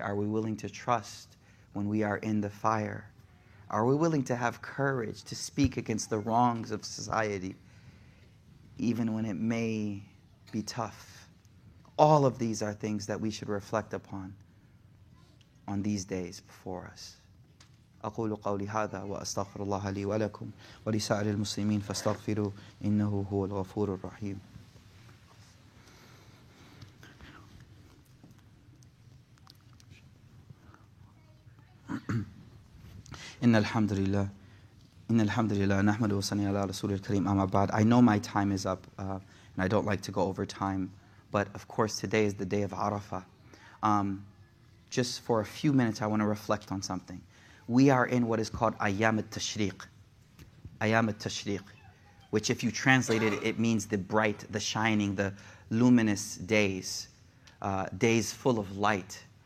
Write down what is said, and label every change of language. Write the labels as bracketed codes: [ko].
[en] Are we willing to trust when we are in the fire? Are we willing to have courage to speak against the wrongs of society, even when it may be tough? All of these are things that we should reflect upon on these days before us. [ar] أقول قولي هذا وأستغفر الله لي ولكم ولسائر المسلمين فاستغفروا إنه هو الغفور الرحيم. إن الحمد لله نحمد وصلنا على رسول الكريم أما بعد. [en] I know my time is up and I don't like to go over time, but of course today is the day of Arafah. Just for a few minutes, I want to reflect on something. We are in what is called Ayyam al-Tashriq. Ayyam al-Tashriq, which if you translate it, it means the bright, the shining, the luminous days, days full of light.